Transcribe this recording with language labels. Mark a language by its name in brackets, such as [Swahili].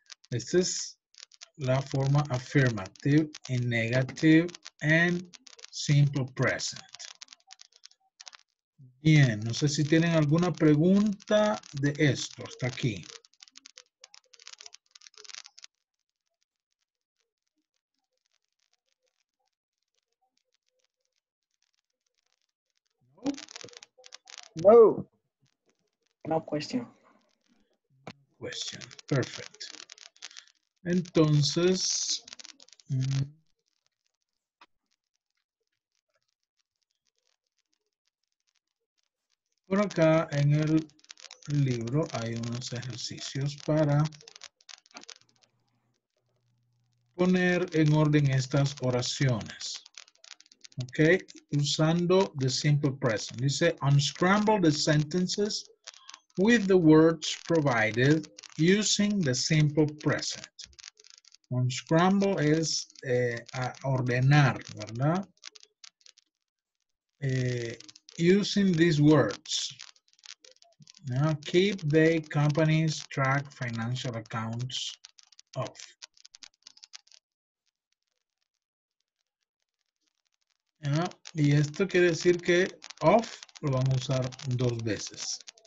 [English] This is [Spanish] la forma [English] affirmative and negative and simple present. [Spanish] Bien, no sé si tienen alguna pregunta de esto hasta aquí. No. [English] No question. Question. Perfect. [Spanish] Entonces, por acá en el libro hay unos ejercicios para poner en orden estas oraciones. [English] Okay, [Spanish] usando [English] the simple present. You say, unscramble the sentences with the words provided using the simple present. [Spanish] Unscramble es ordenar, ¿verdad? [English] Using these words. Now, keep the companies track financial accounts off. [Spanish] Y esto quiere decir que off lo vamos a usar dos veces.